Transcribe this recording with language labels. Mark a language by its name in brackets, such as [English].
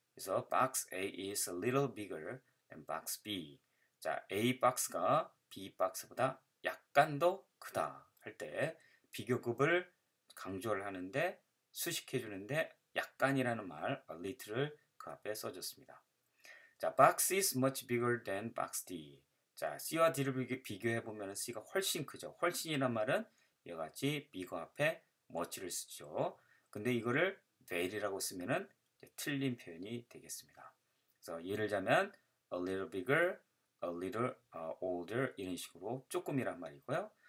[English] 그래서 box A is a little bigger than box B. [Korean] 자, A 박스가 B 박스보다 약간 더 크다 할 때 비교급을 강조를 하는데 수식해 주는데 약간이라는 말 a little을 그 앞에 써줬습니다. [English] 자, box is much bigger than box D. [Korean] 자, C와 D를 비교해보면 C가 훨씬 크죠. 훨씬이란 말은 여같이 big 앞에 much를 쓰죠. 근데 이거를 very라고 쓰면은 틀린 표현이 되겠습니다. 그래서 예를 들자면 [English] a little bigger, a little older [Korean] 이런 식으로 조금이란 말이고요.